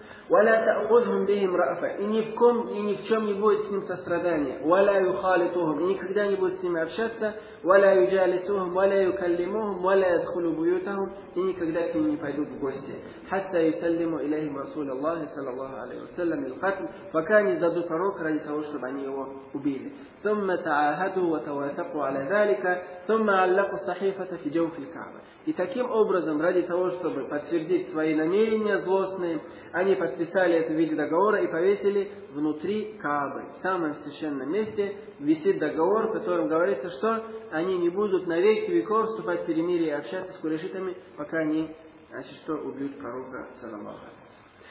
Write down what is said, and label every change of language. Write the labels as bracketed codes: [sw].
[ar] ولا تأخذهم بهم رأفة, [ru] и ни в чем не будет с ним сострадания, [ar] ولا يخالطوهم, [ru] и никогда не будет с ними общаться, [ar] ولا يجالسوهم, ولا يكلموهم, ولا يدخلوا بيوتهم, [ru] и никогда к ним не пойдут в гости, [ar] حتى يسلموا إليهم رسول الله صلى الله عليه وسلم للقتل, [ru] пока не сдадут пророка ради того, чтобы они его убили. [ar] ثم تعاهدوا وتواثقوا على ذلك ثم علقوا الصحيفة في جوف الكعبة. [ru] И таким образом, ради того, чтобы подтвердить свои намерения злостные, они подписали это в виде договора и повесили внутри Каабы, в самом священном месте, висит договор, в котором говорится, что они не будут навеки веков вступать в перемирие и общаться с курайшитами, пока они, значит, что, убьют пророка, саллаллаху алейхи ва саллям.